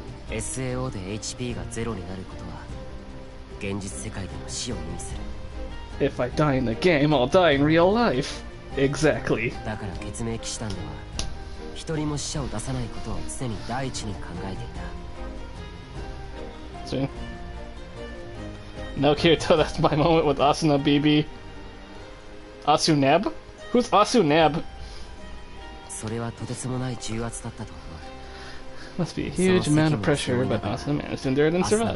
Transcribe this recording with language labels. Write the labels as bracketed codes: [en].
[ja] SAO で HP が0になることは現実世界での死を意味する。 [en] If I die in the game, I'll die in real life. Exactly. [ja] だから決命騎士団では一人も死者を出さないことを常に第一に考えていた。 [en] See? No, Kirito, that's my moment with Asuna, BB. Asuneb? Who's Asuneb? [ja] それはとてつもない重圧だったと思う。 [en] Must be a huge amount of pressure, but Asuna managed to endure it and survive.